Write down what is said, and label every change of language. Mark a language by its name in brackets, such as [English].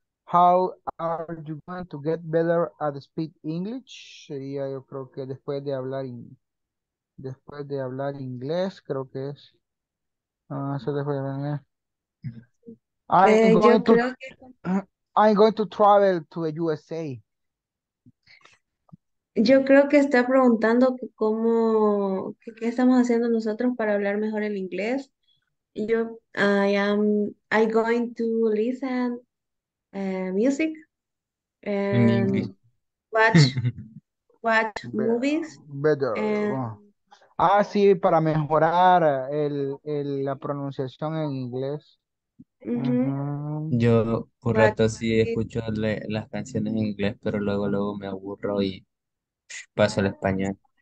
[English] How are you going to get better at speak English? [Spanish] Sería, yo creo que después de hablar inglés, creo que es. Eso después de hablar inglés. [English] I'm going to travel to the USA. [Spanish] Yo creo que está preguntando qué estamos haciendo nosotros para hablar mejor el inglés. [English] I'm going to listen music and watch movies. Better. [Spanish] Ah, sí, para mejorar la pronunciación en inglés. Yo por rato sí escucho las canciones en inglés, pero luego me aburro y paso al español.